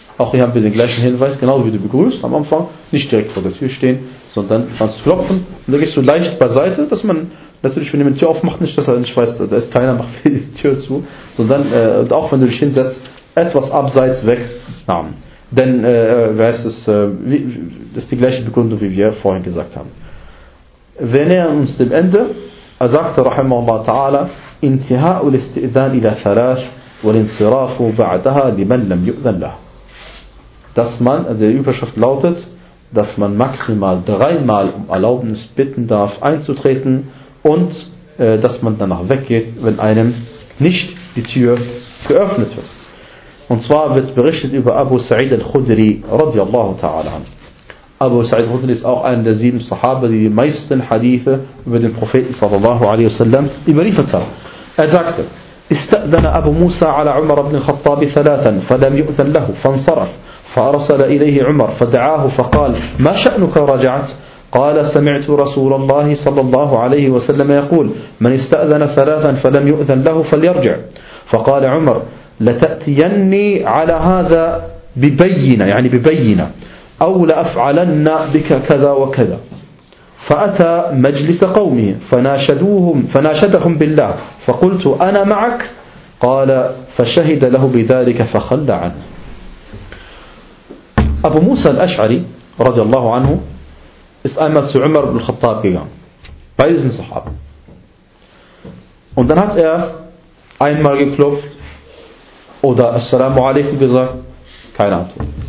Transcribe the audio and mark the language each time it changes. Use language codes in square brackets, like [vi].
[de] Auch hier haben wir den gleichen Hinweis, genau wie du begrüßt am Anfang, nicht direkt vor der Tür stehen, sondern kannst klopfen und dann gehst du leicht beiseite, dass man natürlich, wenn jemand die Tür aufmacht, nicht, dass er nicht weiß, da ist keiner, macht die Tür zu, sondern und auch wenn du dich hinsetzt, etwas abseits weg, nahmen. Denn das ist die gleiche Begründung, wie wir vorhin gesagt haben. Wir nähern uns dem Ende. Er sagte, [ar] rahimahullah ta'ala, انتهاء الاستئذان إلى ثلاث والانصراف بعدها لمن لم يؤذن له. [de] Dass man, die Überschrift lautet, dass man maximal dreimal um Erlaubnis bitten darf einzutreten und dass man danach weggeht, wenn einem nicht die Tür geöffnet wird. Und zwar wird berichtet über Abu Sa'id al-Khudri, radiallahu ta'ala. Abu Sa'id al-Khudri ist auch einer der sieben Sahaba, die meisten Hadithe über den Propheten, sallallahu alaihi wasallam, überliefert haben. Er sagte, [ar] استأذن أبو موسى على عمر بن الخطاب ثلاثا فلم يؤذن له فانصرف فأرسل إليه عمر فدعاه فقال ما شأنك رجعت قال سمعت رسول الله صلى الله عليه وسلم يقول من استأذن ثلاثا فلم يؤذن له فليرجع فقال عمر لتأتيني على هذا ببينة يعني ببينة أو لأفعلن بك كذا وكذا فأتى مجلس قومي فناشدهم بالله فقلت أنا معك قال فشهد له بذلك فخلى عنه. [de] أبو موسى الأشعري رضي الله عنه ist einmal zu Umar bin Khattab gegangen bei diesen Sahaben. Und dann hat er einmal geklopft oder Assalamu alaikum gesagt, keine Antwort.